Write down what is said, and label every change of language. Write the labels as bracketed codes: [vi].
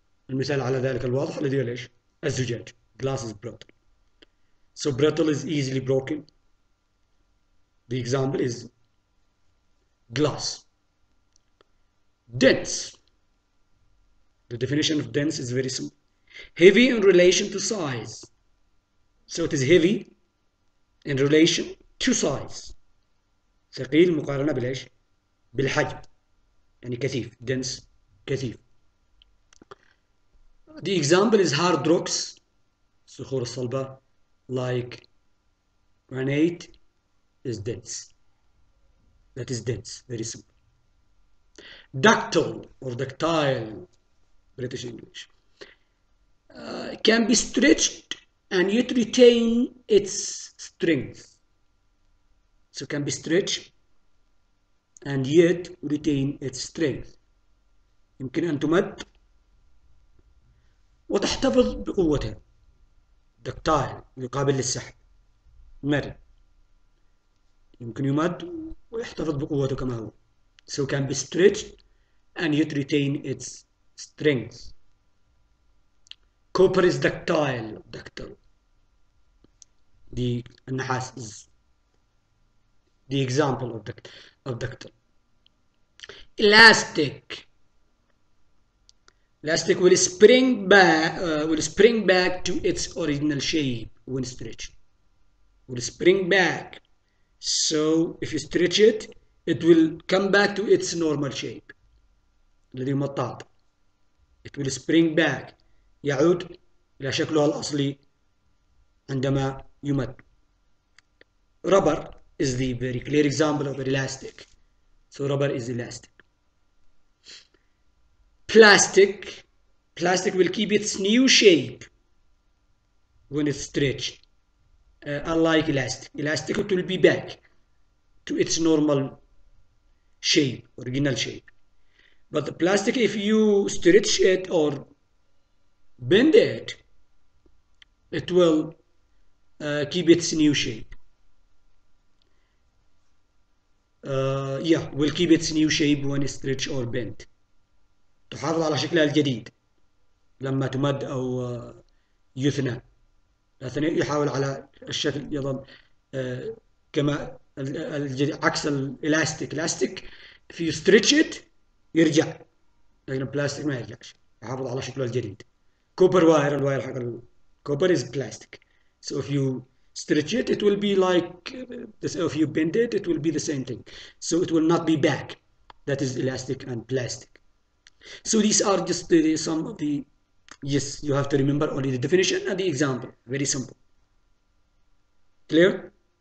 [ar] المثال على ذلك الواضح الذي هو ليش؟ الزجاج. [en] Glass is brittle. So brittle is easily broken. The example is glass. Dense. The definition of dense is very simple. Heavy in relation to size. So it is heavy in relation to size. [ar] ثقيل مقارنة بليش؟ بالحجم. يعني كثيف. Dense. كثيف. [en] The example is hard rocks, [ar] صخور صلبة, [en] like granite is dense. That is dense, very simple. Ductile or ductile, British English, can be stretched and yet retain its strength. So can be stretched and yet retain its strength. [ar] يمكن أن تمد وتحتفظ بقوتها. دكتايل يقابل للسحب. مرن. يمكن يمد ويحتفظ بقوته كما هو. [en] So can be stretched and yet retain its strength. Copper is ductile. Ductile. The النحاس is the example of ductile. Elastic. Elastic will spring back to its original shape when stretched. Will spring back. So if you stretch it, it will come back to its normal shape. [ar] الذي مطاط. [en] It will spring back. [ar] يعود إلى شكله الأصلي عندما يمد. [en] Rubber is the very clear example of elastic. So rubber is elastic. Plastic. Plastic will keep its new shape when it's stretched, unlike elastic. Elastic, it will be back to its normal shape, original shape. But the plastic, if you stretch it or bend it, it will keep its new shape. Yeah, will keep its new shape when it's stretched or bent. [ar] تحافظ على شكلها الجديد. لما تمد أو يثنى الأثنى يحاول على الشكل يظل كما عكس الإلاستيك. إلاستيك [en] if you stretch it [ar] يرجع، لكن البلاستيك ما يرجعش، يحافظ على شكله الجديد. كوبر واير، الواير حق الكوبر [en] is plastic. So if you stretch it, it will be like this. If you bend it, it will be the same thing. So it will not be back. That is elastic and plastic. So these are just the, some of the Yes, you have to remember only the definition and the example. Very simple. Clear?